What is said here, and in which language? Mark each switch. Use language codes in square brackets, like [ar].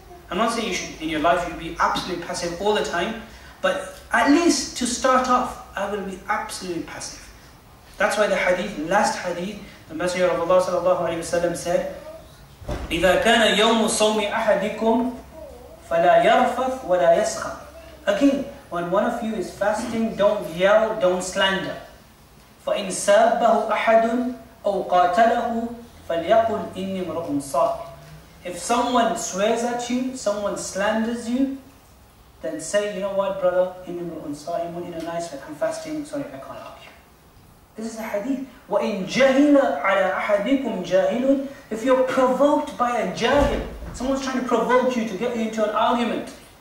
[en] I'm not saying you should, in your life you'll be absolutely passive all the time, but at least to start off, I will be absolutely passive. That's why the hadith, last hadith, the Messenger of Allah sallallahu alayhi wa sallam said, [ar] إذا كان يوم صوم أحدكم فلا يرفث ولا يسخر. [en] Again, when one of you is fasting, don't yell, don't slander. [ar] فإن سابه أحد أو قاتله فليقل إني امرؤ صائم. [en] If someone swears at you, someone slanders you, then say, you know what, brother, [ar] إني امرؤ صائم, [en] in a nice way, I'm fasting, sorry, I can't help you. This is a hadith. [ar] وَإِن جَهِلَ عَلَىٰ أَحَدِكُمْ جَاهِلٌ. [en] If you're provoked by a jahil, someone's trying to provoke you to get you into an argument.